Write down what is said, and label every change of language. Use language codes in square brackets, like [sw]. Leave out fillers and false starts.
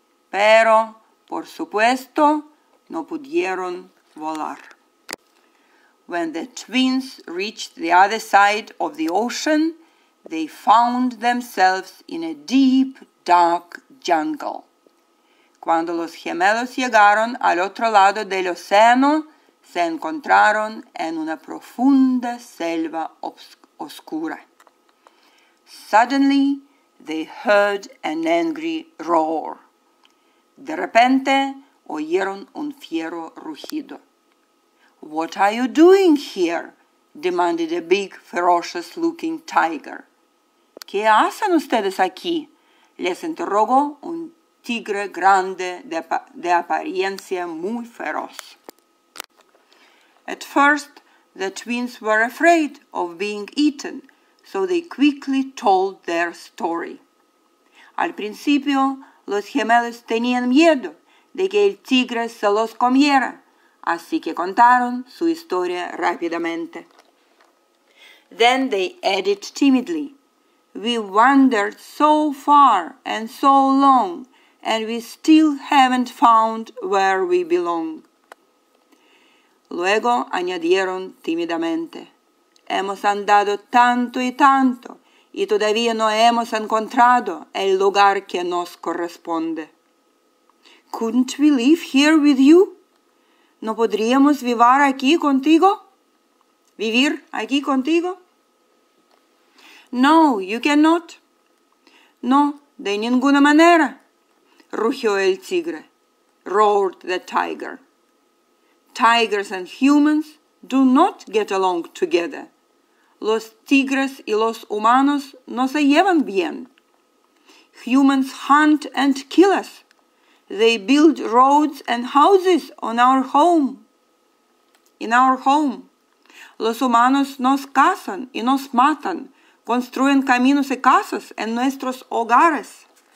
[es] Pero, por supuesto, no pudieron volar. [en] When the twins reached the other side of the ocean, they found themselves in a deep, dark jungle. [es] Cuando los gemelos llegaron al otro lado del océano, se encontraron en una profunda selva oscura. [en] Suddenly, they heard an angry roar. [es] De repente, oyeron un fiero rugido. [en] "What are you doing here?" demanded a big, ferocious-looking tiger. [es] ¿Qué hacen ustedes aquí?" les interrogó un tigre grande de apariencia muy feroz. [en] At first, the twins were afraid of being eaten, so they quickly told their story. [es] Al principio, los gemelos tenían miedo de que el tigre se los comiera, así que contaron su historia rápidamente. [en] Then they added timidly, "We wandered so far and so long, and we still haven't found where we belong." [es] Luego añadieron tímidamente, "Hemos andado tanto y tanto, y todavía no hemos encontrado el lugar que nos corresponde." [en] "Couldn't we live here with you?" [es] ¿No podríamos vivir aquí contigo? ¿Vivir aquí contigo? [en] "No, you cannot." [es] "No, de ninguna manera," rugió el tigre, [en] roared the tiger. "Tigers and humans do not get along together. [es] Los tigres y los humanos no se llevan bien. [en] Humans hunt and kill us. They build roads and houses on our home. In our home, [es] los humanos nos cazan y nos matan. Construyen caminos y casas en nuestros hogares."